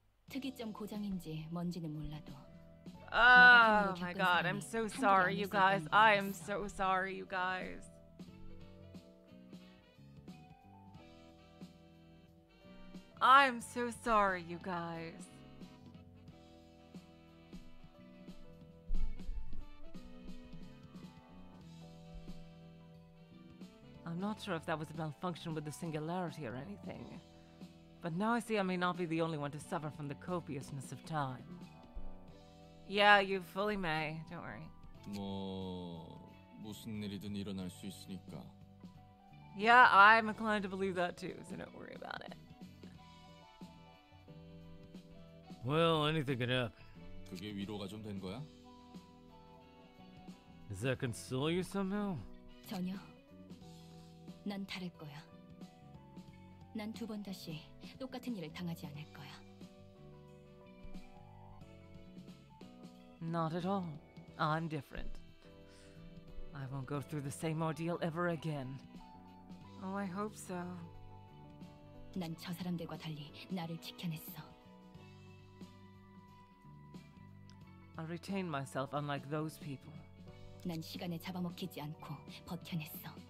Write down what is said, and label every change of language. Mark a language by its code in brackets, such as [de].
[ko] 특이점 고장인지 뭔지는 몰라도. [en] Oh my god, I'm so sorry, you guys. I am so sorry, you guys. I'm so sorry, you guys. I'm not sure if that was a malfunction with the singularity or anything, but now I see I may not be the only one to suffer from the copiousness of time. Yeah, you fully may. Don't worry. [ko] 뭐 무슨 일이든 일어날 수 있으니까. [en] Yeah, I'm inclined to believe that too, so don't worry about it. Well, anything can happen. [ko] 그게 위로가 좀 된 거야? [en] Does that console you somehow? [ko] 전혀. 난 다를 거야. 난 두 번 다시 똑같은 일을 당하지 않을 거야. [en] Not at all. I'm different. I won't go through the same ordeal ever again. Oh, I hope so. [ko] 난 저 사람들과 달리 나를 지켜냈어. [en] I retain myself unlike those people. [ko] 난 시간에 잡아먹히지 않고 버텨냈어.